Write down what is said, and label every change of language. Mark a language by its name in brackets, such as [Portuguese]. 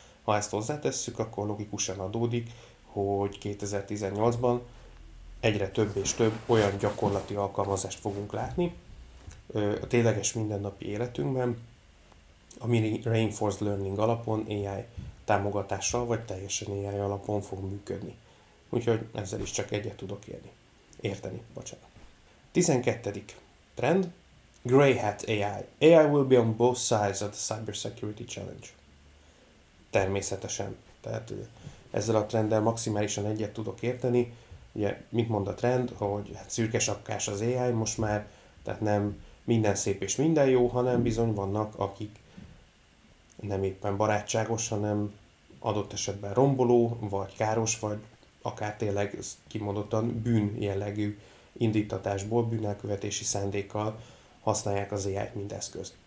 [Hungarian] Ha ezt hozzátesszük, akkor logikusan adódik, hogy 2018-ban egyre több és több olyan gyakorlati alkalmazást fogunk látni a tényleges mindennapi életünkben, ami Reinforced Learning alapon, AI támogatással, vagy teljesen AI alapon fog működni. Úgyhogy ezzel is csak egyet tudok érni. Érteni, bocsánat. 12. trend, Grey Hat AI. [English] AI will be on both sides of the cybersecurity challenge. [Hungarian] Természetesen. Tehát ezzel a trenddel maximálisan egyet tudok érteni. Ugye, mit mond a trend, hogy hát szürke sapkás az AI most már, tehát nem minden szép és minden jó, hanem bizony vannak, akik nem éppen barátságos, hanem adott esetben romboló, vagy káros, vagy akár tényleg kimondottan bűn jellegű indítatásból, bűnelkövetési szándékkal használják az AI-t, mint eszközt.